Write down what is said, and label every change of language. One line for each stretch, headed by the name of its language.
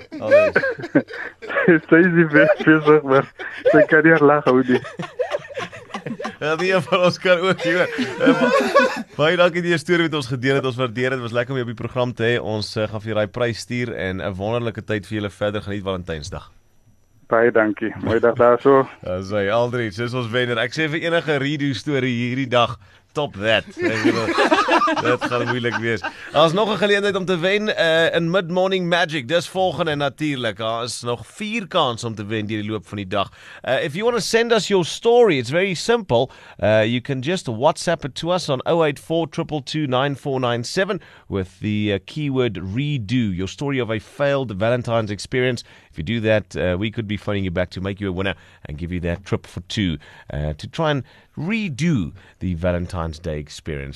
Afrikaans: Sy is die best bezig, maar sy kan nie lach hou nie. Die een van ons kan ook hier. Baie dankie die story met ons gedeel het, ons waardeer het, was lekker om jou op die program te hê. Ons gaan vir jou die prys stuur en 'n wonderlike tyd vir julle verder. Geniet Valentynsdag. Baie dankie, mooi dag daar so. As hy Aldridge, dis ons wenner. Ek sê vir enige redo story hierdie dag,
English: top that.
Afrikaans: Dit gaan moeilik wees. Daar is nog 'n geleentheid om te wen in Mid-Morning Magic. Dis volgende natuurlik. Daar is nog 4 kans om te wen deur die loop van die dag.
English: If you want to send us your story, it's very simple. You can just WhatsApp it to us on 0842229497 with the keyword redo. Your story of a failed Valentine's experience. If you do that, we could be phoning you back to make you a winner and give you that trip for two to try and redo the Valentine's Day experience.